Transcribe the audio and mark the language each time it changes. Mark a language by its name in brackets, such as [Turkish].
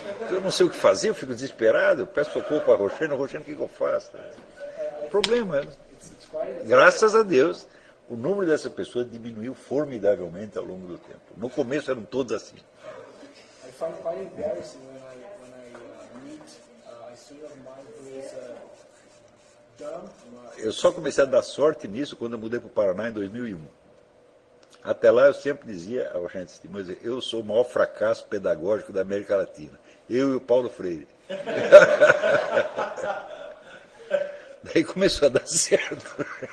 [Portuguese] Eu não sei o que fazer, eu fico desesperado, eu peço socorro para a Rochena, Rochena, o que eu faço? Problema. Graças a Deus, o número dessa pessoa diminuiu formidavelmente ao longo do tempo. No começo eram todos assim. [English] I find it quite embarrassing when I meet a student of mine who is dumb. [Portuguese] Eu só comecei a dar sorte nisso quando eu mudei para o Paraná em 2001. Até lá eu sempre dizia ao gente, mas eu sou o maior fracasso pedagógico da América Latina. Eu e o Paulo Freire. Daí começou a dar certo.